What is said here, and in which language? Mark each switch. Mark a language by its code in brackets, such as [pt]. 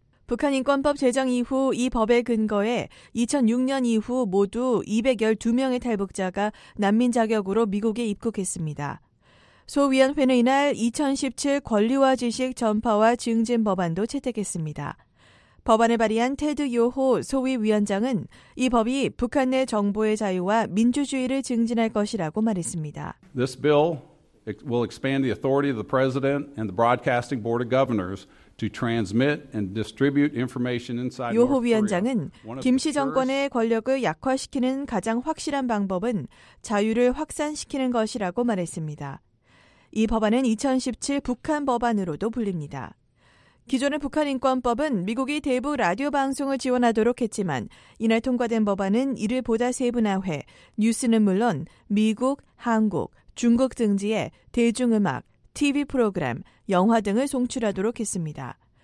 [ko] 북한 인권법 제정 이후 이 법에 근거해 2006년 이후 모두 212명의 탈북자가 난민 자격으로 미국에 입국했습니다. 소위원회는 이날 2017 권리와 지식 전파와 증진 법안도 채택했습니다. 법안을 발의한 테드 요호 소위 위원장은 이 법이 북한 내 정보의 자유와 민주주의를 증진할 것이라고 말했습니다. [en] This bill will expand the authority of the president and the broadcasting board of governors to transmit and distribute information inside North Korea. [ko] 요호 위원장은 김씨 정권의 권력을 약화시키는 가장 확실한 방법은 자유를 확산시키는 것이라고 말했습니다. 이 법안은 2017 북한 법안으로도 불립니다. 기존의 북한인권법은 미국이 대북 라디오 방송을 지원하도록 했지만 이날 통과된 법안은 이를 보다 세분화해 뉴스는 물론 미국, 한국, 중국 등지에 대중음악, TV 프로그램, 영화 등을 송출하도록 했습니다.